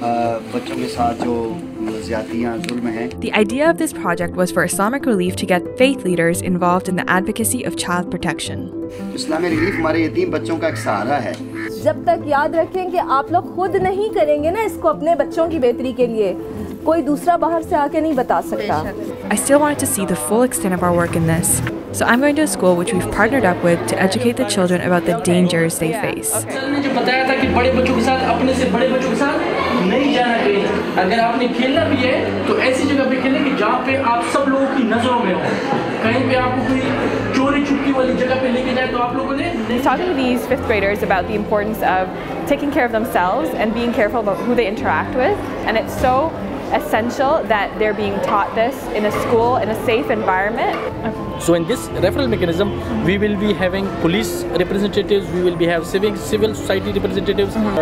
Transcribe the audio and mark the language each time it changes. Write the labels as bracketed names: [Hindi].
[English] The idea of this project was for Islamic Relief to get faith leaders involved in the advocacy of child protection. Islamic Relief is our yatim children's sahara. [Hindi] जब तक याद रखें कि आप लोग खुद नहीं करेंगे ना इसको अपने बच्चों की बेहतरी के लिए कोई दूसरा बाहर से आके नहीं बता सकता. [English] I still wanted to see the full extent of our work in this. So I'm going to a school which we've partnered up with to educate the children about the dangers they face. [Hindi] जो बताया था कि बड़े बच्चों के साथ अपने से बड़े बच्चों के साथ नहीं जाना चाहिए. अगर आपने खेलना भी है तो ऐसी जगह पे खेलें कि जहां पे आप सब लोगों की नजरों में हो. कहीं पे आपको कोई चोरी छुपी वाली जगह पे लेके जाए तो आप लोगों ने. [English] Talking to these fifth graders about the importance of taking care of themselves and being careful about who they interact with, and it's so essential that they're being taught this in a school in a safe environment. So in this referral mechanism, we will be having police representatives, we will be have civil society representatives.